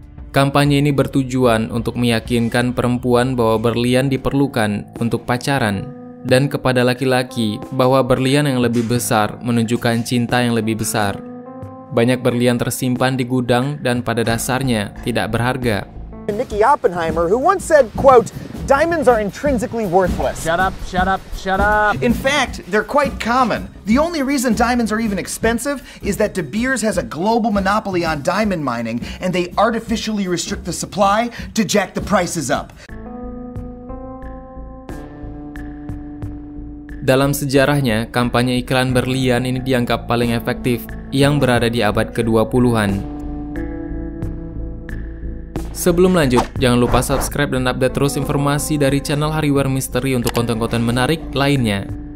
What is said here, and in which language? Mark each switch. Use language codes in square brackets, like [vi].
[id] Kampanye ini bertujuan untuk meyakinkan perempuan bahwa berlian diperlukan untuk pacaran, dan kepada laki-laki bahwa berlian yang lebih besar menunjukkan cinta yang lebih besar. Banyak berlian tersimpan di gudang dan pada dasarnya tidak berharga. [en] Nicky Oppenheimer, who once said, quote, "Diamonds are intrinsically worthless." Shut up. In fact, they're quite common. The only reason diamonds are even expensive is that De Beers has a global monopoly on diamond mining, and they artificially restrict the supply to jack the prices up. [id] Dalam sejarahnya, kampanye iklan berlian ini dianggap paling efektif yang berada di abad ke-20-an. Sebelum lanjut, jangan lupa subscribe dan update terus informasi dari channel Hariware Misteri untuk konten-konten menarik lainnya.